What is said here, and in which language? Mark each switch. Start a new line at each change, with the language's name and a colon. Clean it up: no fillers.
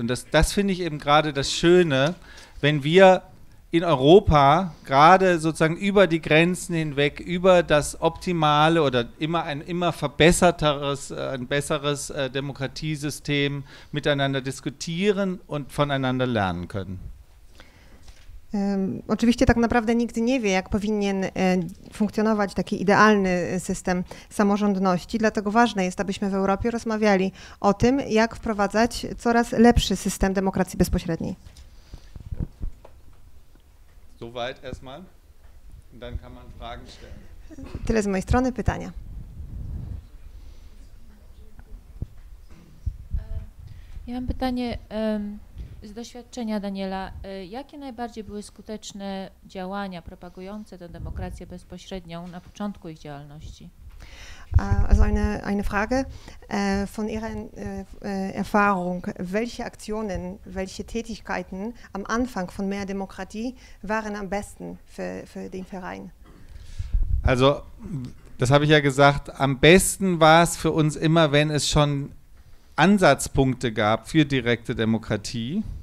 German: Und das finde ich eben gerade das Schöne, wenn wir in Europa gerade sozusagen über die Grenzen hinweg, über das optimale oder immer ein immer verbesserteres, ein besseres Demokratiesystem miteinander diskutieren und voneinander lernen können.
Polish: Oczywiście tak naprawdę nikt nie wie, jak powinien funkcjonować taki idealny system samorządności, dlatego ważne jest, abyśmy w Europie rozmawiali o tym, jak wprowadzać coraz lepszy system demokracji bezpośredniej.
German: Soweit erstmal. Und dann kann man Fragen stellen.
Polish: Tyle z mojej strony, pytania. Ja mam pytanie z doświadczenia Daniela. Jakie najbardziej były skuteczne działania propagujące tę demokrację bezpośrednią na początku ich działalności?
German: Also eine Frage von Ihrer Erfahrung. Welche Aktionen, welche Tätigkeiten am Anfang von mehr Demokratie waren am besten für den Verein? Also das habe ich ja gesagt, am besten war es für uns immer, wenn es schon Ansatzpunkte gab für direkte Demokratie.